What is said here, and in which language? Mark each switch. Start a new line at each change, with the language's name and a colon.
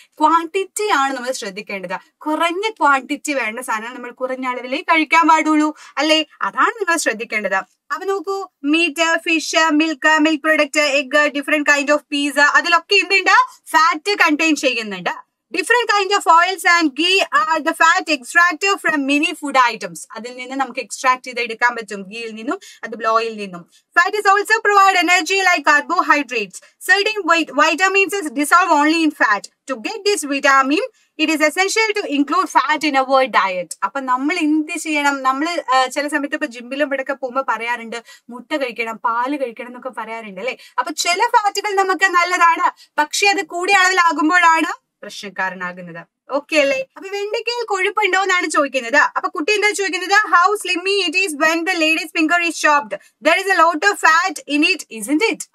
Malayalam: Quantity ആണ് നമ്മൾ ശ്രദ്ധിക്കേണ്ടത്. കുറഞ്ഞ ക്വാണ്ടിറ്റി വേണ്ട സാധനം നമ്മൾ കുറഞ്ഞ അളവിലേ കഴിക്കാൻ പാടുള്ളൂ അല്ലേ, അതാണ് നിങ്ങൾ ശ്രദ്ധിക്കേണ്ടത്. അപ്പൊ നോക്കൂ, meet, fish, milk, milk product, egg,
English: different kind of pizza,
Malayalam: അതിലൊക്കെ എന്തുണ്ട്, ഫാറ്റ് കണ്ടെയ്ൻ ചെയ്യുന്നുണ്ട്.
English: Different kinds of oils and ghee are the fat extracted from many food items.
Malayalam: അതിൽ നിന്ന് നമുക്ക് എക്സ്ട്രാക്ട് ചെയ്ത് എടുക്കാൻ പറ്റും, ഗീയിൽ നിന്നും അതുപോലെ ഓയിൽ നിന്നും.
English: Fat is also provide energy like carbohydrates. Certain vitamins is dissolve only in fat. To get this vitamin, it is essential to include fat in our diet.
Malayalam: അപ്പൊ നമ്മൾ എന്ത് ചെയ്യണം, നമ്മൾ ചില സമയത്ത് ഇപ്പൊ ജിമ്മിലും ഇവിടെയൊക്കെ പോകുമ്പോൾ പറയാറുണ്ട് മുട്ട കഴിക്കണം, പാല് കഴിക്കണം എന്നൊക്കെ പറയാറുണ്ട് അല്ലെ. അപ്പൊ ചില ഫാറ്റുകൾ നമുക്ക് നല്ലതാണ്, പക്ഷെ അത് കൂടിയ അളവിലാകുമ്പോഴാണ് പ്രശ്നക്കാരനാകുന്നത്. ഓക്കെ അല്ലേ. അപ്പൊ വെണ്ടയ്ക്കയിൽ കൊഴുപ്പുണ്ടോ എന്നാണ് ചോദിക്കുന്നത്. അപ്പൊ കുട്ടി എന്താ ചോദിക്കുന്നത്,
English: How slimy it is when the ladies finger is chopped, there is a lot of fat in it isn't it.